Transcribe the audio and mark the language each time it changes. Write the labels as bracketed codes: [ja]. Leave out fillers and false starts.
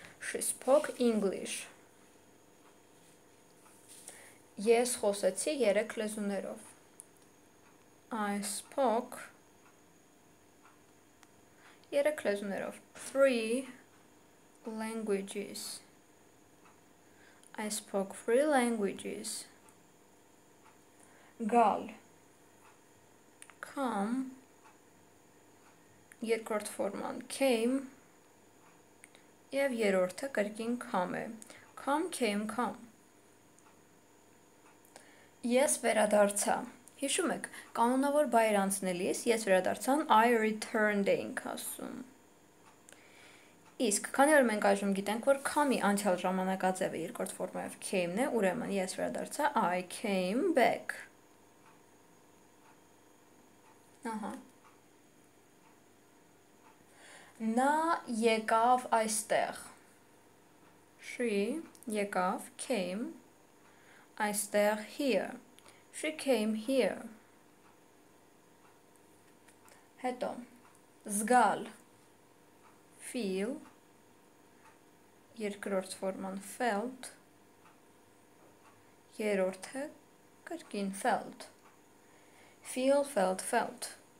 [en] She spoke English. [hy] Ես խոսեցի երեք լեզուներով. [en] I spoke [hy] երեք լեզուներով. [en] Three languages. I spoke three languages. [hy] Գալ. Come. Երկրորդ ֆորման came. Եվ երրորդը կրկին come է. [en] Come, came, come. [hy] Ես վերադարձա. Հիշում եք, կանոնավոր բայր անցնելիս ես վերադարձան [en] I returned [hy] էինք ասում. Իսկ, քանի որ մենք այժմ գիտենք, որ come-ի անցյալ ժամանակաձևը երկրորդ ֆորմայով came-ն է, ուրեմն ես վերադարձա [en] I came back. [hy] Ահա. Նա եկավ այստեղ. [en] She եկավ, came, այստեղ, here. She came here. [hy] Հետո, զգալ, feel, երկրորդ ֆորման felt, երրորդը կրկին felt. [en] Feel, felt, felt.